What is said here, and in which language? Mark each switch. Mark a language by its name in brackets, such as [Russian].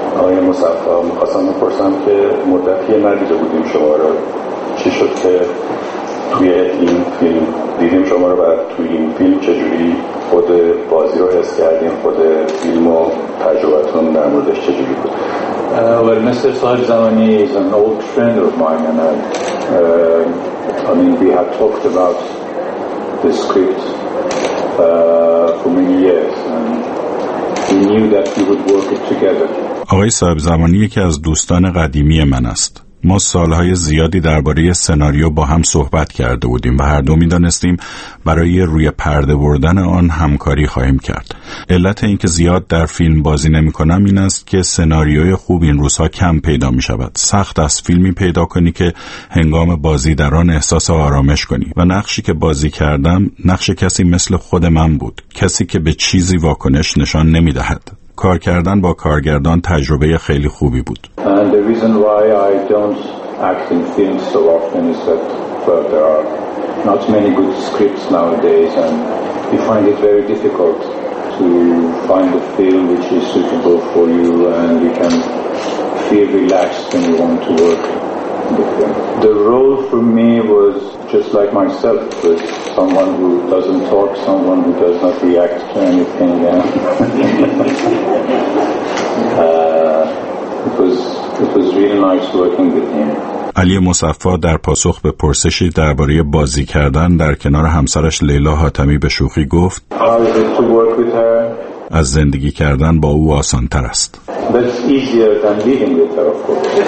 [Persian] آقای مصفا، می‌خواستم بپرسم که مدتی ندیده بودیم شما رو، چی شد که توی این فیلم دیدیم شما رو و توی این فیلم چجوری خود بازی رو حس کردیم، خود فیلم و تجربتون در موردش چجوری بود؟ [English] Well, Mr. Sarzamani is an old friend of mine and we have talked about the script for many years and we knew that we would work it together. [Persian] آقای صاحب زمانی یکی از دوستان قدیمی من است. ما سالهای زیادی درباره سناریو با هم صحبت کرده بودیم و هر دو می دانستیم برای روی پرده بردن آن همکاری خواهیم کرد. علت اینکه زیاد در فیلم بازی نمی کنم این است که سناریوی خوب این روزها کم پیدا می شود. سخت است فیلمی پیدا کنی که هنگام بازی در آن احساس آرامش کنی و نقشی که بازی کردم نقش کسی مثل خود من بود، کسی که به چیزی واکنش نشان نمی دهد. کار کردن با کارگردان تجربه خیلی خوبی بود. [English] And the reason why I don't act in films so often is that there are not many good scripts nowadays and you find it very difficult to find a film which is suitable for you and you can feel relaxed when you want to work in the film. The role for me was just like myself, was someone who doesn't talk, someone who does not react to anything. it was really nice working with him. [Persian] علی مصفا در پاسخ به پرسشی درباره بازی کردن در کنار همسرش لیلا حاتمی به شوخی گفت: [English] How is it to work with her? [Persian] از زندگی کردن با او آسان تر است. [English] That's easier than living with her, of course.